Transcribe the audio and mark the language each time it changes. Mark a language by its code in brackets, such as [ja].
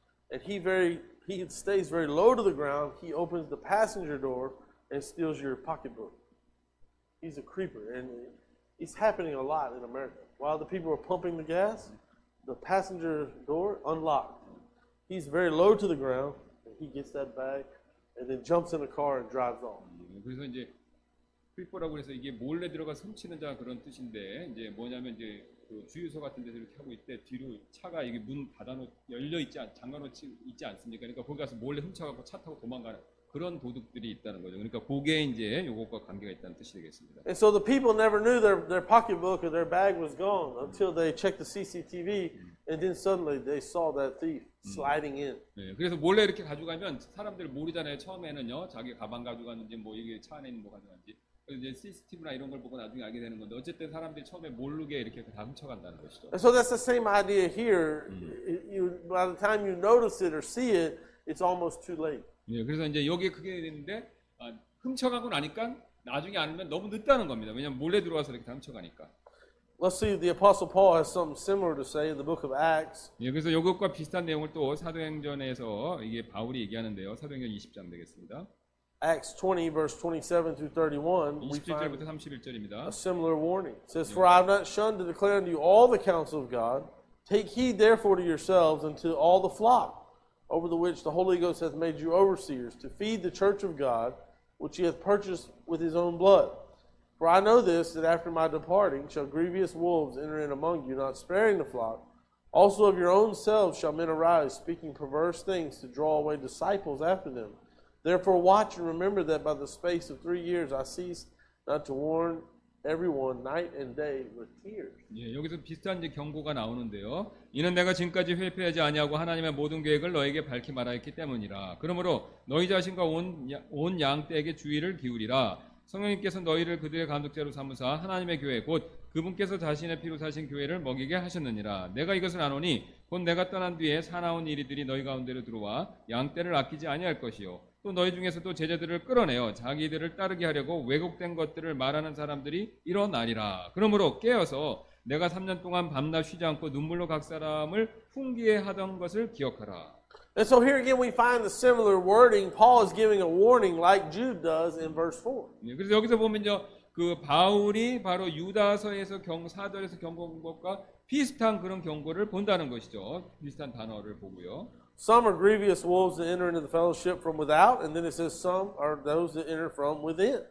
[en] And he stays very low to the ground, he opens the passenger door and steals your pocketbook. He's a creeper, and it's happening a lot in America. While the people are pumping the gas, the passenger door unlocked. He's very low to the ground, He gets that bag and then jumps in a car and drives off. [ko] 그래서 이제 creeper라고 해서 이게 몰래 들어가 훔치는 자 그런 뜻인데 이제 뭐냐면 이제 그 주유소 같은 데서 이렇게 하고 있대 뒤로 차가 이게 문 닫아놓고 열려 있지 않 잠가놓지 있지 않습니까? 그러니까 거기 가서 몰래 훔쳐가고 차 타고 도망가는 그런 도둑들이 있다는 거죠. 그러니까 그게 이제 요것과 관계가 있다는 뜻이 되겠습니다. [en] And so the people never knew their pocketbook or their bag was gone until they checked the CCTV. And then suddenly they saw that thief sliding in. [ko] 네, 그래서 몰래 이렇게 가져가면 사람들 모르잖아요. 처음에는요, 자기 가방 가져갔는지 뭐 이게 차 안에 있는 거 가져갔는지. 그래서 이제 CCTV나 이런 걸 보고 나중에 알게 되는 건데 어쨌든 사람들이 처음에 모르게 이렇게 다 훔쳐간다는 것이죠. [en] And so that's the same idea here. You, by the time you notice it or see it, it's almost too late. [ko] 네, 그래서 이제 여기 크게 되는데 훔쳐가고 나니까 나중에 알면 너무 늦다는 겁니다. 왜냐면 몰래 들어와서 이렇게 다 훔쳐가니까. [en] Let's see. The Apostle Paul has something similar to say in the book of Acts. [ko] 예, 그래서 요것과 비슷한 내용을 또 사도행전에서 이게 바울이 얘기하는데요. 사도행전 20장 되겠습니다. [en] Acts 20 verse 27 through 31. [ko] 27절부터 31절입니다. [en] A similar warning. It says, For I have not shunned to declare unto you all the counsel of God. Take heed therefore to yourselves and to all the flock, over the which the Holy Ghost hath made you overseers, to feed the church of God, which he hath purchased with his own blood. For I know this, that after my departing shall grievous wolves enter in among you, not sparing the flock. Also of your own selves shall men arise, speaking perverse things to draw away disciples after them. Therefore watch and remember that by the space of 3 years I ceased not to warn everyone night and day with tears. [ko] 예, 여기서 비슷한 이제 경고가 나오는데요. 이는 내가 지금까지 회피하지 아니하고 하나님의 모든 계획을 너에게 밝히 말하였기 때문이라. 그러므로 너희 자신과 온 양떼에게 주의를 기울이라. 성령님께서 너희를 그들의 감독자로 삼으사 하나님의 교회 곧 그분께서 자신의 피로 사신 교회를 먹이게 하셨느니라 내가 이것을 아노니 곧 내가 떠난 뒤에 사나운 이리들이 너희 가운데로 들어와 양떼를 아끼지 아니할 것이요 또 너희 중에서도 제자들을 끌어내어 자기들을 따르게 하려고 왜곡된 것들을 말하는 사람들이 일어나리라 그러므로 깨어서 내가 3년 동안 밤낮 쉬지 않고 눈물로 각 사람을 훈계 하던 것을 기억하라 [en] And so here again we find the similar wording. Paul is giving a warning like Jude does in verse 4. [ko] 예, 그래서 여기서 보면요, 그 바울이 바로 유다서에서 사도에서 경고한 것과 비슷한 그런 경고를 본다는 것이죠. 비슷한 단어를 보고요. [en] Some are grievous wolves that enter into the fellowship from without, and then it says some are those that enter from within.